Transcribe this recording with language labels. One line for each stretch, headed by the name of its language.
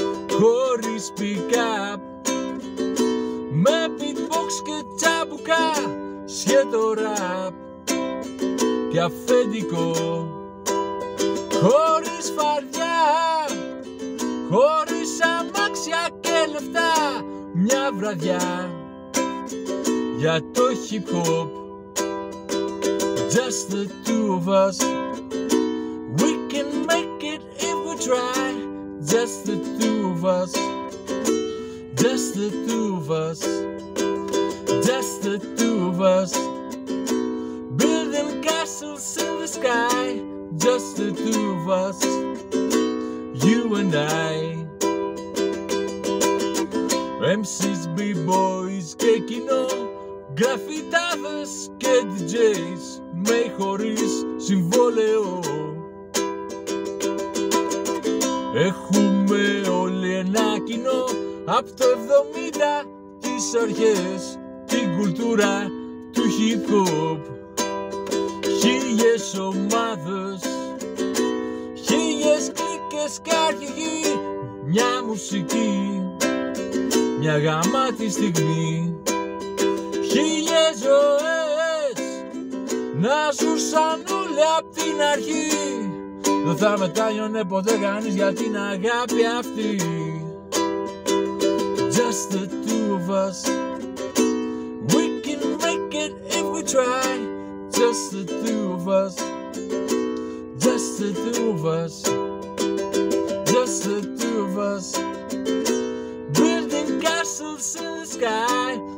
Greek: χωρίς pick-up, με beatbox και τσαμπουκά, σχέτο rap και αφεντικό, χωρίς φαρδιά, χωρίς αμάξια και λεφτά, μια βραδιά για το hip-hop.
English: Just the two of us, we can make it if we try. Just the two of us, just the two of us, just the two of us, building castles in the sky. Just the two of us, you and I.
Greek: MCs, B-boys και κοινό, γραφιτάδες και DJs, με χωρίς συμβόλαιο. Έχουμε όλοι ένα κοινό από το 70 τις αρχές, την κουλτούρα του hip-hop. Χίλιες ομάδες, χίλιες κλίκες και αρχηγοί, μια μουσική, μια γαμάτη στιγμή. Χίλιες ζωές να ζούσαν όλοι απ' την αρχή, δεν θα μετάνιωνε ποτέ κανείς για την αγάπη αυτή.
English: Just the two of us, we can make it if we try. Just the two of us, just the two of us, just the two of us, building castles in the sky.